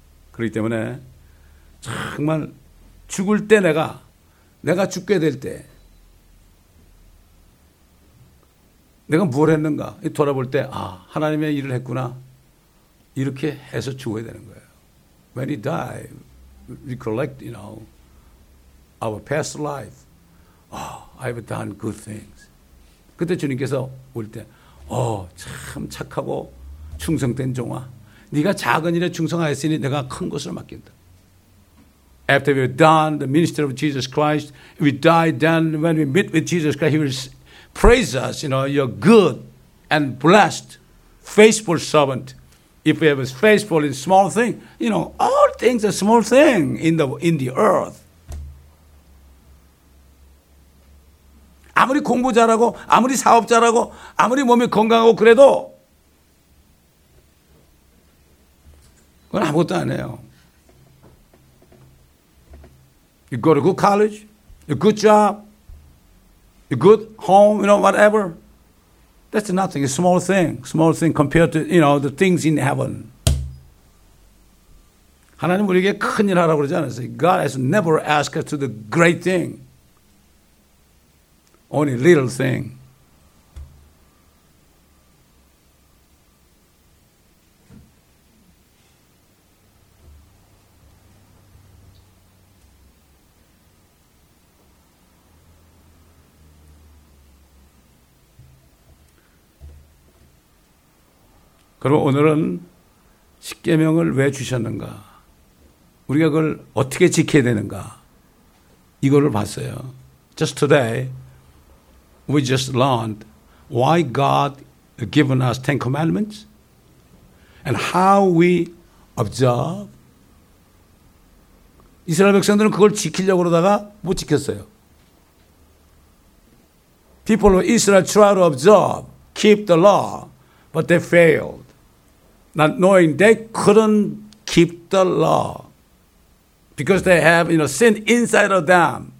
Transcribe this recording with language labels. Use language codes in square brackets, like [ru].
[ko] 그렇기 때문에 정말 죽을 때 내가 죽게 될 때 내가 뭘 했는가 돌아볼 때 아, 하나님의 일을 했구나 이렇게 해서 죽어야 되는 거예요. [en] When he died, we collect, you know, our past life. Oh, I've done good things. [ko] 그때 주님께서 올 때, 어, 참 착하고 충성된 종아. 네가 작은 일에 충성하였으니 내가 큰 것을 맡긴다. [en] After we've done the ministry of Jesus Christ, we die, then when we meet with Jesus Christ, he will praise us, you know, you're good and blessed, faithful servant. If we have a faithful in small thing, you know, all things are small thing in the earth. [ko] 아무리 공부 잘하고, 아무리 사업 잘하고, 아무리 몸이 건강하고 그래도 그건 아무것도 안 해요. [en] You go to good college, a good job, a good home, you know, whatever. That's nothing. It's a small thing. Small thing compared to, you know, the things in heaven. [ko] 하나님 우리에게 큰 일 하라고 그러지 않았어요. [en] God has never asked us to the great thing. Only little thing. [ko] 그럼 오늘은 십계명을 왜 주셨는가? 우리가 그걸 어떻게 지켜야 되는가? 이거를 봤어요. [en] Just today, we just learned why God has given us Ten Commandments and how we observe. [ko] 이스라엘 백성들은 그걸 지키려고 그러다가 못 지켰어요. [en] People of Israel try to observe, keep the law, but they failed. Not knowing they couldn't keep the law because they have, you know, sin inside of them.